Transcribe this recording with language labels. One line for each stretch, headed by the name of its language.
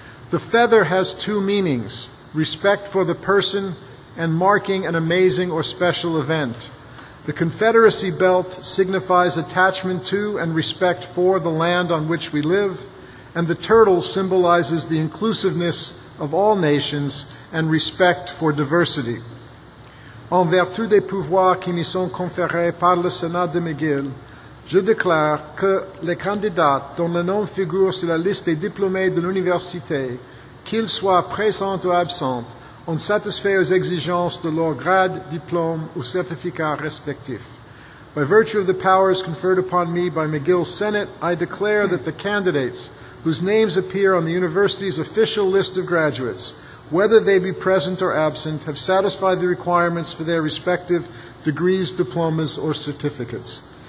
English: The feather has two meanings, respect for the person and marking an amazing or special event. The Confederacy belt signifies attachment to and respect for the land on which we live, and the turtle symbolizes the inclusiveness of all nations and respect for diversity.
French: En vertu des pouvoirs qui me sont conférés par le Sénat de McGill, je déclare que les candidats dont le nom figure sur la liste des diplômés de l'université, qu'ils soient présents ou absents, ont satisfait aux exigences de leur grade, diplôme ou certificat respectif.
English: By virtue of the powers conferred upon me by McGill's Senate, I declare that the candidates whose names appear on the university's official list of graduates, whether they be present or absent, have satisfied the requirements for their respective degrees, diplomas, or certificates.